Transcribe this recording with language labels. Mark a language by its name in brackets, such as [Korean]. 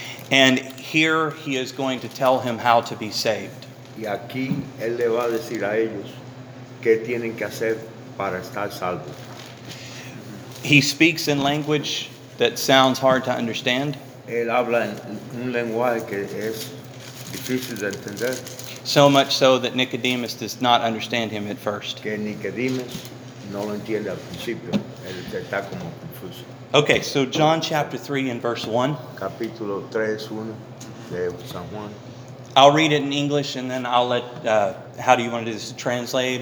[English] And here he is going to tell him how to be saved. [Spanish] Y aquí él le va a decir a ellos qué tienen que hacer para estar salvos. [English] He speaks in language that sounds hard to understand. [Spanish] Él habla en un lenguaje que es difícil de entender. [English] So much so that Nicodemus does not understand him at first. [Spanish] Que Nicodemus no lo entiende al principio. Él está como confuso. [English] Okay, so John chapter 3 and verse 1. [Spanish] Capítulo 3, 1 de San Juan. [English] I'll read it in English and then I'll let, how do you want to do this, translate?